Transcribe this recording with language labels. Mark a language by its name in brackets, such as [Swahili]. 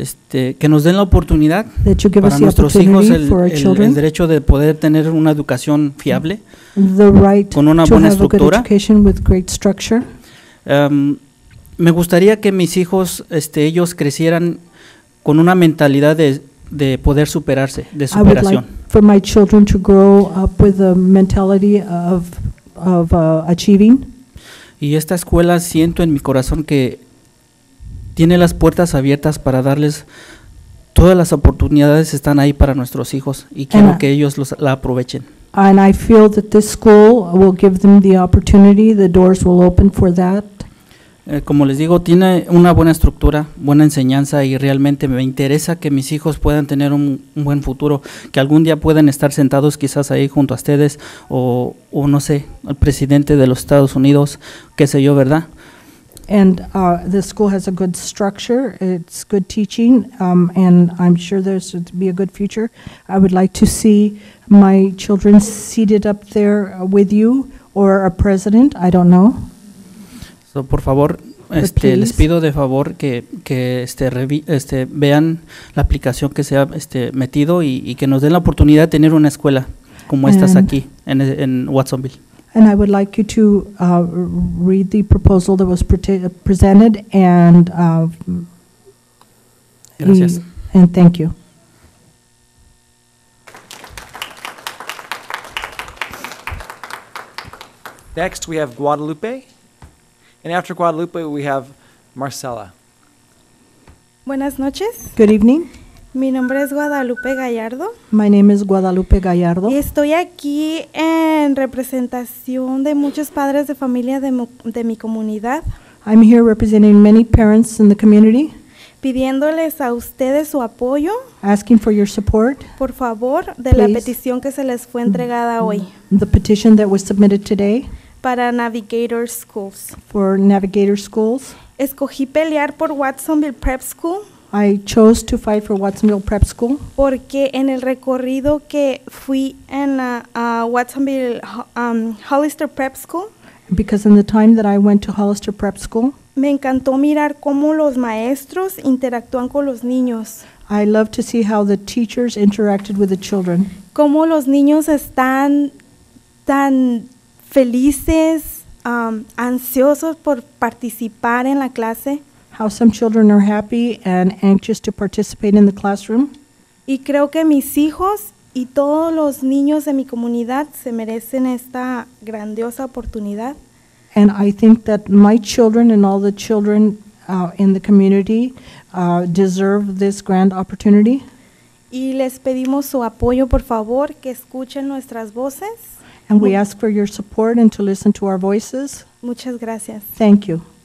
[Spanish] Que nos den la oportunidad para nuestros hijos el derecho de poder tener una educación fiable, [English] the right [Spanish] con una [English] to [Spanish] buena [English] have [Spanish] estructura. [English] A good education with great structure. [Spanish] Me gustaría que mis hijos, ellos crecieran con una mentalidad de poder superarse, de superación. [English] I would like for my children to grow up with a mentality of achieving. [Spanish] Y esta escuela siento en mi corazón que tiene las puertas abiertas para darles todas las oportunidades están ahí para nuestros hijos y quiero que ellos la aprovechen. [English] And I feel that this school will give them the opportunity, the doors will open for that. [Spanish] Como les digo, tiene una buena estructura, buena enseñanza y realmente me interesa que mis hijos puedan tener un buen futuro, que algún día puedan estar sentados quizás ahí junto a ustedes o no sé, el presidente de los Estados Unidos, qué sé yo, ¿verdad? [English] And the school has a good structure, it's good teaching, and I'm sure there's to be a good future. I would like to see my children seated up there with you or a president, I don't know. [Spanish] So, por favor, les pido de favor que vean la aplicación que se ha metido y que nos den la oportunidad de tener una escuela como estas aquí en Watsonville. [English] And I would like you to read the proposal that was presented and [Spanish] gracias. [English] And thank you. Next, we have Guadalupe. And after Guadalupe, we have Marcela. [Spanish] Buenas noches. [English] Good evening. [Spanish] Mi nombre es Guadalupe Gallardo. [English] My name is Guadalupe Gallardo. [Spanish] Y estoy aquí en representación de muchos padres de familia de mi comunidad. [English] I'm here representing many parents in the community. [Spanish] Pidiéndoles a ustedes su apoyo. [English] Asking for your support. [Spanish] Por favor, de [English] please, [Spanish] la petición que se les fue entregada hoy. [English] The petition that was submitted today. [Spanish] Para Navigator Schools. [English] For Navigator Schools. [Spanish] Escogí pelear por Watsonville Prep School. [English] I chose to fight for Watsonville Prep School. [Spanish] Porque en el recorrido que fui en Watsonville Hollister Prep School. [English] Because in the time that I went to Hollister Prep School. [Spanish] Me encantó mirar cómo los maestros interactúan con los niños. [English] I love to see how the teachers interacted with the children. [Spanish] Cómo los niños están tan felices, ansiosos por participar en la clase. [English] How some children are happy and anxious to participate in the classroom. [Spanish] Y creo que mis hijos y todos los niños de mi comunidad se merecen esta grandiosa oportunidad. [English] And I think that my children and all the children in the community deserve this grand opportunity. [Spanish] Y les pedimos su apoyo, por favor, que escuchen nuestras voces. [English] And we ask for your support and to listen to our voices. [Spanish] Muchas gracias. [English] Thank you.